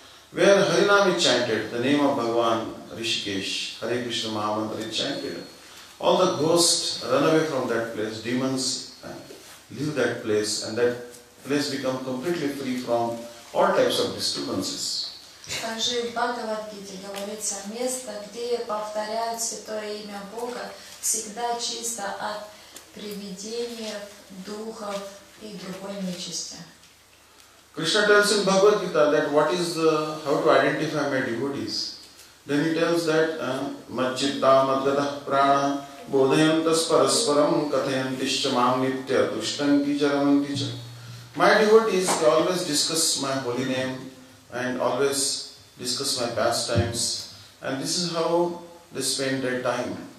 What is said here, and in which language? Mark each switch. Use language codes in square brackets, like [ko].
[en] Where Harinam is chanted, the name of Bhagavan Rishikesh, Hare Krishna Mahamantra is chanted, all the ghosts run away from that place, demons leave that place, and that place become completely free from all types of disturbances. [ru] Также в Бхагавад-гите говорится, место, где повторяют святое имя Бога, всегда чисто от привидений, духов и другой нечисти. [en] Krishna tells in Bhagavad-gita that what is the, how to identify my devotees. Then he tells that, [sa] Majjitta madgadah prana bodhayantas parasparam kathayantishca mam nitya tushtanti charamanti cha. [en] My devotees, they always discuss my holy name, and always discuss my pastimes, and this is how they spend their time.